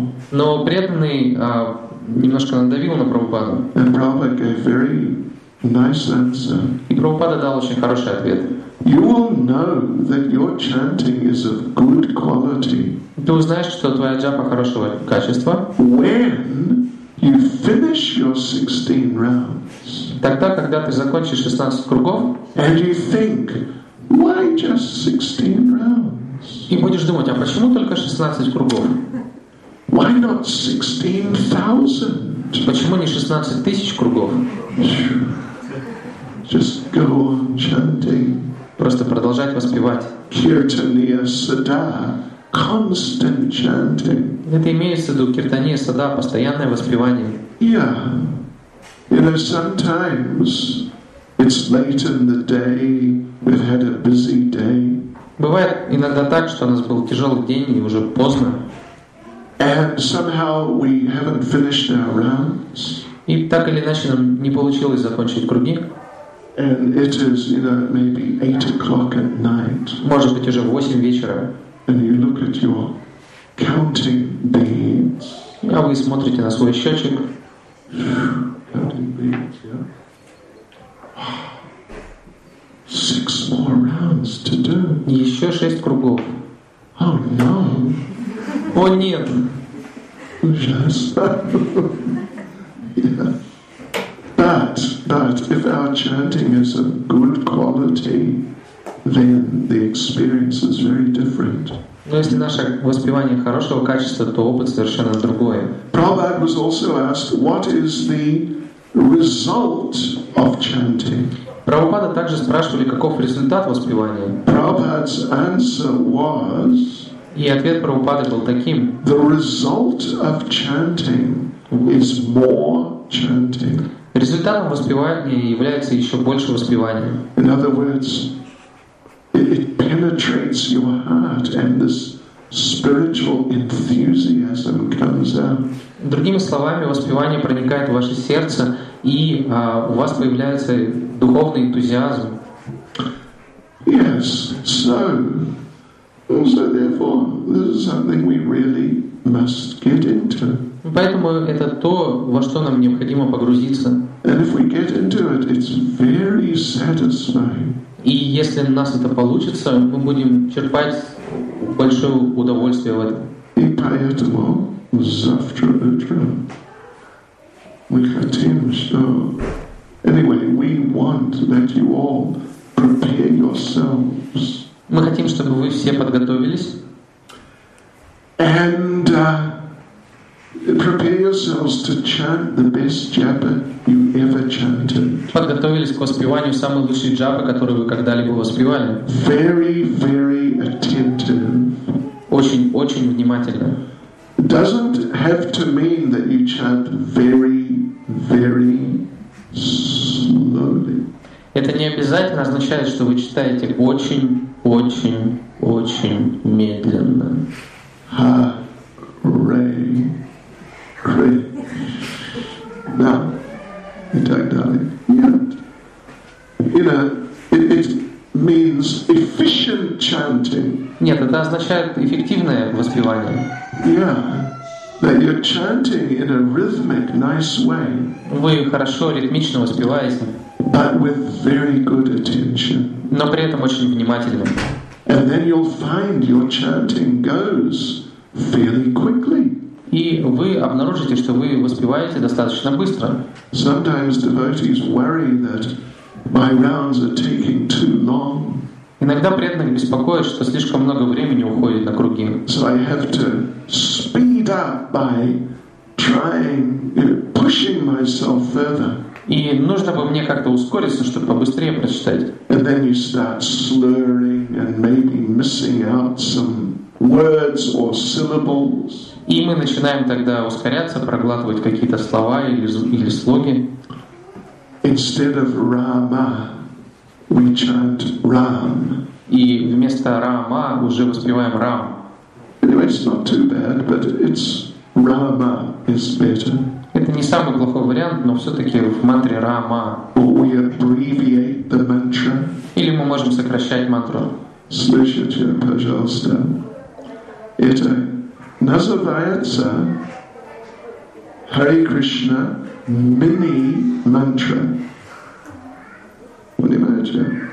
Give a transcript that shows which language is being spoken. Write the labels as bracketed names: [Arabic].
[Russian] Но преданный немножко надавил на Прабхупаду. [English] And Prabhupada gave very nice answer. [Russian] И Прабхупада дал очень хороший ответ. [English] You will know that your chanting is of good quality. [Russian] Ты узнаешь, что твоя джапа хорошего качества. [English] When you finish your 16 rounds. [Russian] Тогда, когда ты закончишь 16 кругов. [English] And you think, why just 16 rounds? [Russian] И будешь думать, а почему только 16 кругов? [English] Why not 16,000? [Russian] Почему не 16 тысяч кругов? [English] Just go on chanting. [Russian] Просто продолжать воспевать. [English] Kirtaniya Sada, constant chanting. [Russian] Это имеется в виду Киртания Сада, постоянное воспевание. [English] Yeah. You know, sometimes it's late in the day, we've had a busy day. [Russian] Бывает иногда так, что у нас был тяжелый день, и уже поздно. [English] And somehow we haven't finished our rounds. [Russian] И так или иначе нам не получилось закончить круги. [English] And it is, you know, maybe 8 o'clock at night. [Russian] Может быть уже 8 вечера. [English] And you look at your counting beads. [Russian] А вы смотрите на свой счетчик. [English] Counting beads, yeah. 6 more rounds to do. [Russian] Еще 6 кругов. [English] Oh no. [Russian] О нет. Ужас. Yeah. [English] But if our chanting is of good quality, then the experience is very different. [Russian] Но если наше воспевание хорошего качества, то опыт совершенно другой. [English] Prabhupada was also asked, what is the result of chanting? [Russian] Прабхупада также спрашивали, каков результат воспевания. [English] Prabhupada's answer was, [Russian] и ответ Прабхупады был таким, [English] the result of chanting is more chanting. [Russian] Результатом воспевания является еще больше воспевания. [English] In other words, it penetrates your heart and this spiritual enthusiasm comes out. [Russian] Другими словами, воспевание проникает в ваше сердце, и у вас появляется духовный энтузиазм. [English] Yes, so therefore, this is something we really must get into. [Russian] Поэтому это то, во что нам необходимо погрузиться. [English] And if we get into it, it's very satisfying. [Russian] И если у нас это получится, мы будем черпать большое удовольствие в этом. И поэтому завтра утром мы хотим, что... [English] Anyway, we want that you all prepare yourselves. [Russian] Мы хотим, чтобы вы все подготовились. [English] And prepare yourselves to chant the best japa you ever chanted. [Russian] Подготовились к воспеванию самой лучшей джапы, которую вы когда-либо воспевали. [English] Very, very attentive. [Russian] Очень, очень внимательно. [English] Doesn't have to mean that you chant very, very slowly. [Russian] Это не обязательно означает, что вы читаете очень, очень, очень медленно. [English] Hare Krishna. Now, you don't know it yet. You know, it means efficient chanting. [Russian] Нет, это означает эффективное воспевание. [English] Yeah. That you're chanting in a rhythmic, nice way. [Russian] Вы хорошо ритмично воспеваете. [English] But with very good attention. [Russian] Но при этом очень внимательно. [English] And then you'll find your chanting goes fairly quickly. [Russian] И вы обнаружите, что вы воспеваете достаточно быстро. [English] Sometimes devotees worry that my rounds are taking too long. [Russian] Иногда преданных беспокоит, что слишком много времени уходит на круги. [English] So I have to speed up by trying, pushing myself further. [Russian] И нужно бы мне как-то ускориться, чтобы побыстрее прочитать. [English] And then you start slurring and maybe missing out some words or syllables. [Russian] И мы начинаем тогда ускоряться, проглатывать какие-то слова или слоги. [English] Instead of Rama, we chant Ram. [Russian] И вместо Рама уже воспеваем Рам. [English] Anyway, it's not too bad, but it's Rama is better. [Russian] Это не самый плохой вариант, но все-таки в мантре Рама. [English] Or we abbreviate the mantra. [Russian] Или мы можем сокращать мантру. Слышите, пожалуйста. Это называется [English] Hare Krishna mini mantra. [Russian] Понимаете?